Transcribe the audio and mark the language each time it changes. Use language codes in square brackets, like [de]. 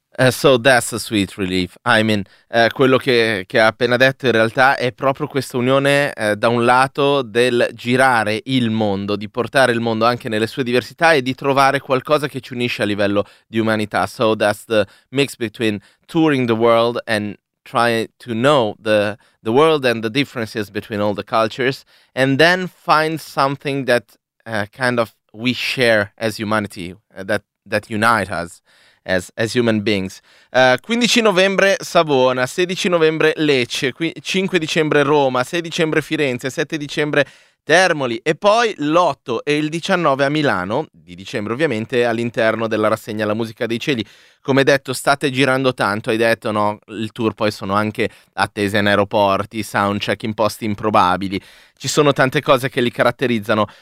[en] So that's a sweet relief. I mean, [it] quello che ha appena detto in realtà è proprio questa unione, da un lato, del girare il mondo, di portare il mondo anche nelle sue diversità e di trovare qualcosa che ci unisce a livello di umanità. [en] So that's the mix between touring the world and trying to know the world and the differences between all the cultures, and then find something that kind of we share as humanity, that unite us. As human beings. [it] 15 novembre Savona, 16 novembre Lecce, 5 dicembre Roma, 6 dicembre Firenze, 7 dicembre Termoli e poi l'8 e il 19 a Milano, di dicembre ovviamente, all'interno della rassegna La Musica dei Cieli. Come detto, state girando tanto, hai detto, no, il tour poi sono anche attese in aeroporti, soundcheck in posti improbabili, ci sono tante cose che li caratterizzano.